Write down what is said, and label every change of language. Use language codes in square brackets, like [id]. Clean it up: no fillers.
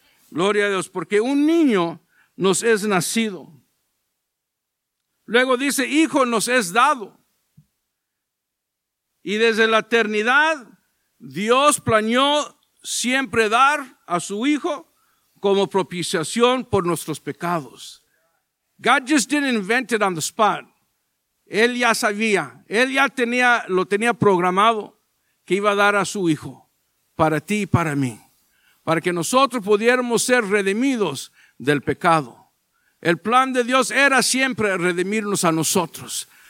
[es] Gloria a Dios, porque un niño nos es nacido. Luego dice, Hijo nos es dado. Y desde la eternidad, Dios planeó siempre dar a su Hijo como propiciación por nuestros pecados. [en] God just didn't invent it on the spot. [es] Él ya sabía, Él ya tenía, lo tenía programado que iba a dar a su Hijo para ti y para mí, para que nosotros pudiéramos ser redimidos del pecado. El plan de Dios era siempre redimirnos a nosotros.